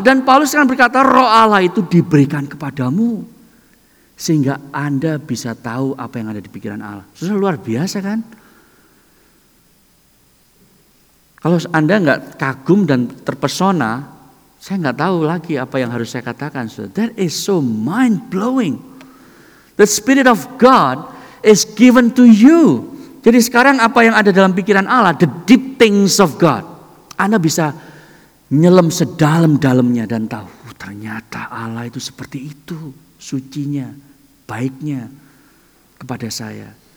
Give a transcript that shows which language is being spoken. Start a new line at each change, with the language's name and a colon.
Indonesian: Dan Paulus kan berkata, roh Allah itu diberikan kepadamu. Sehingga Anda bisa tahu apa yang ada di pikiran Allah. Sudah, luar biasa kan? Kalau Anda enggak kagum dan terpesona, saya enggak tahu lagi apa yang harus saya katakan.
English: So, that is so mind-blowing. The Spirit of God is given to you.
Indonesian: Jadi sekarang apa yang ada dalam pikiran Allah,
English: the deep things of God.
Indonesian: Anda bisa nyelam sedalam-dalamnya dan tahu, ternyata Allah itu seperti itu. Sucinya, baiknya kepada saya.